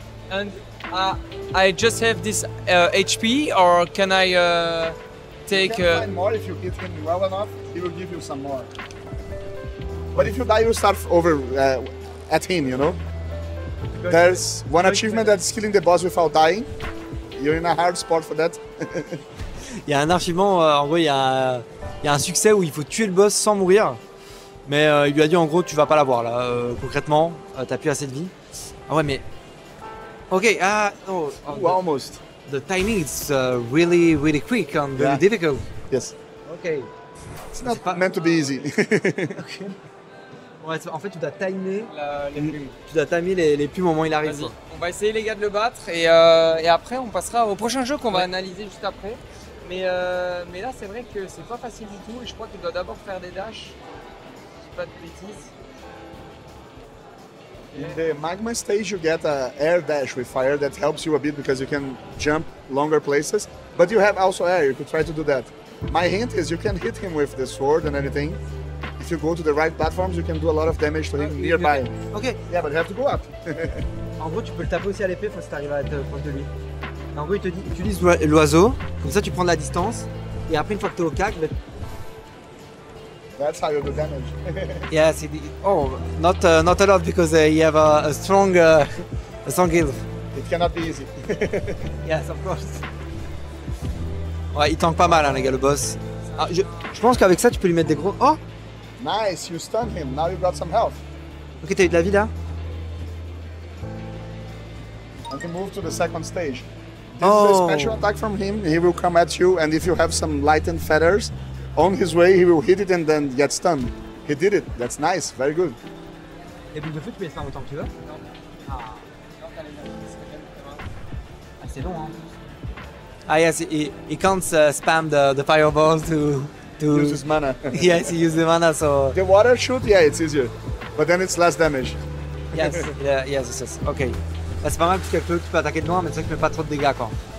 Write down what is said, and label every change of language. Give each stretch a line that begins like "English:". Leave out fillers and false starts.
English: And I just have this HP, or can I take... You can find more if you hit him well enough, he will give you some more. But if you die, you start over at him, you know? There's one achievement that's killing the boss without dying. You're in a hard spot for that.
French: Il y a un achievement, en gros, il y a un succès où il faut tuer le boss sans mourir. Mais il lui a dit, en gros, tu vas pas l'avoir, là. Concrètement, t'as plus assez de vie. Ah ouais, mais... Ok,
English: almost. The timing is really, really quick and really difficult. Yes. Ok. It's not meant to be easy. Okay.
French: Ouais, en fait, tu dois timer les plumes au moment où il arrive. On va essayer, les gars, de le battre et après, on passera au prochain jeu qu'on va analyser juste après. Mais là, c'est vrai que c'est pas facile du tout et je crois que tu dois d'abord faire des dashs. Pas de bêtises.
English: In the magma stage, you get an air dash with fire that helps you a bit because you can jump longer places. But you have also air, you could try to do that. My hint is you can hit him with the sword and anything. If you go to the right platforms, you can do a lot of damage to him nearby. Okay. Yeah, but you have to go up.
French: En gros, tu peux le taper aussi à l'épée si t'arrives à être proche de lui. En gros, il te dit, utilise l'oiseau, comme ça tu prends de la distance. Et après, une fois que t'es au cac, mais...
English: That's how you do damage. Yes, not a lot because you have a strong heal. It cannot be easy. Yes, of course.
French: Ouais, il tank pas mal, hein, les gars, le boss. Ah, je pense qu'avec ça, tu peux lui mettre des gros. Oh!
English: Nice, you stun him. Now you got some health.
French: Ok, t'as eu de la vie là.
English: I can move to the second stage. This is a special attack from him. He will come at you, and if you have some lightened feathers. On his way, he will hit it and then get stunned. He did it. That's nice. Very good.
French: Et puis de feu, tu peux le faire autant que tu veux. Non. Ah, c'est long, hein.
English: Ah yes, he can't spam the fireball to use his mana. Yes, he uses the mana, so the water shoot. Yeah, it's easier, but then it's less damage. Yes. Yeah. Yes. Okay.
French: Bah, c'est pas mal parce que tu peux attaquer de loin, mais c'est vrai que tu mets pas trop de dégâts, quoi.